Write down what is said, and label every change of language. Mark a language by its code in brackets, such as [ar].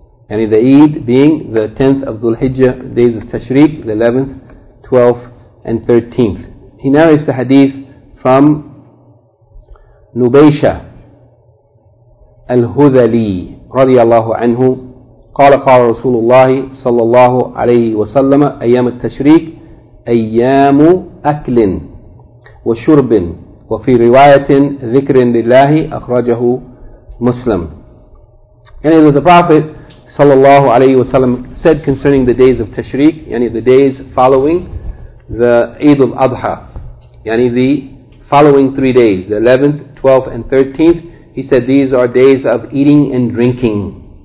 [en] Yani the Eid being the 10th of Dhul Hijjah, days of Tashriq, the 11th, 12th and 13th. He narrates the hadith from Nubaysha al-Hudhali radiallahu anhu. [ar] قال قال رسول الله صلى الله عليه وسلم أيام التشريق أيام أكل وشرب وفي رواية ذكر لله أخرجه مسلم. [en] And the Prophet [ar] صلى الله عليه وسلم [en] said concerning the days of Tashriq, yani the days following the Eid al-Adha, yani the following 3 days, the 11th, 12th and 13th, he said these are days of eating and drinking.